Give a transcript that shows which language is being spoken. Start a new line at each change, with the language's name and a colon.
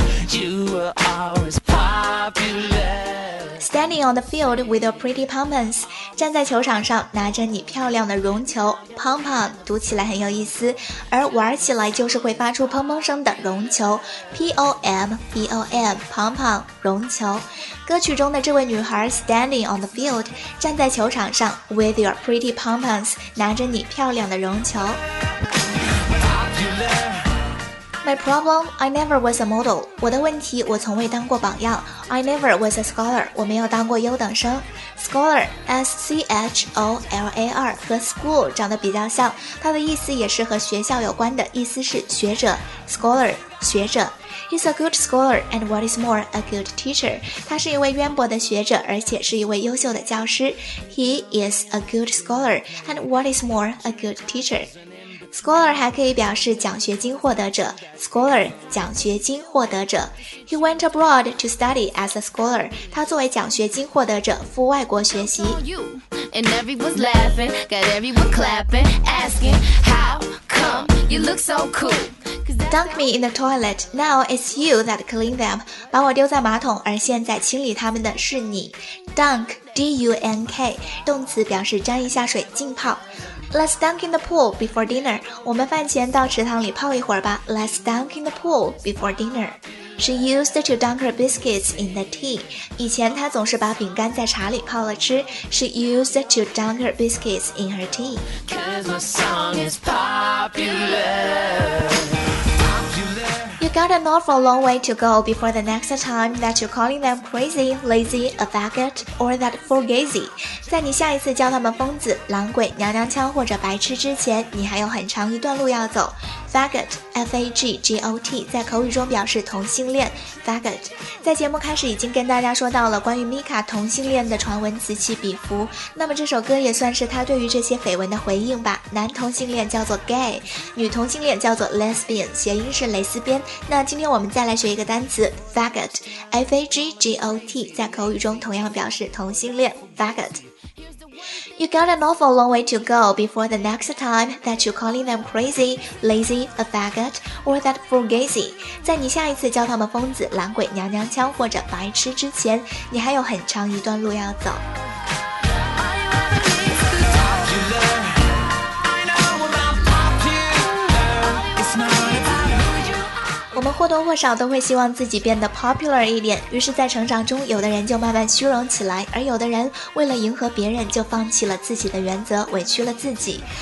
English: You were always popular. Standing on the field with your pretty pompons.
Chinese: 站在球场上拿着你漂亮的绒球。Pompon, 读起来很有意思。而玩起来就是会发出砰砰声的绒球。 P-O-M-B-O-M, pompon, 绒球。歌曲中的这位女孩
English: standing on the field,
Chinese: 站在球场上
English: with your pretty pompons,
Chinese: 拿着你漂亮的绒球。
English: My problem, I never was a model.
Chinese: 我的问题，我从未当过榜样。
English: I never was a scholar.
Chinese: 我没有当过优等生。 Scholar, S-C-H-O-L-A-R, 和 school 长得比较像，它的意思也是和学校有关的，意思是学者。
English: Scholar, 学者。 He's a good scholar, and what is more, a good teacher.
Chinese: 他是一位渊博的学者，而且是一位优秀的教师。
English: He is a good scholar, and what is more, a good teacher. Scholar
Chinese: 还可以表示奖学金获得者
English: Scholar 奖学金获得者 He went abroad to study as a scholar
Chinese: 他作为奖学金获得者赴外国学习
English: you, And everyone's laughing Got everyone clapping Asking how come you look so coolDunk me in the toilet, now it's you that clean them.
Chinese: 把我丢在马桶，而现在清理他们的是你。Dunk, D-U-N-K, 动词表示沾一下水浸泡。
English: Let's dunk in the pool before dinner.
Chinese: 我们饭前到池塘里泡一会儿吧。
English: Let's dunk in the pool before dinner. She used to dunk her biscuits in the tea.
Chinese: 以前她总是把饼干在茶里泡了吃。
English: She used to dunk her biscuits in her tea. 'Cause my song is popular. Got an awful long way to go before the next time that you're calling them crazy, lazy, a faggot, or that fugazi.
Chinese: 在你下一次叫他们疯子、狼鬼、娘娘腔或者白痴之前，你还有很长一段路要走。 Faggot, F-A-G-G-O-T, 在口语中表示同性恋。 Faggot, 在节目开始已经跟大家说到了关于 Mika 同性恋的传闻此起彼伏，那么这首歌也算是他对于这些绯闻的回应吧。男同性恋叫做 gay, 女同性恋叫做 lesbian, 谐音是蕾丝边。那今天我们再来学一个单词 faggot, F-A-G-G-O-T, 在口语中同样表示同性恋。
English: Faggot. You got an awful long way to go before the next time that you're calling them crazy, lazy, a faggot, or that fugazi.
Chinese: 在你下一次叫他们疯子、懒鬼、娘娘腔或者白痴之前，你还有很长一段路要走。我们或多或少都会希望自己变得 popular 一点，于是在成长中有的人就慢慢虚荣起来，而有的人为了迎合别人就放弃了自己的原则，委屈了自己。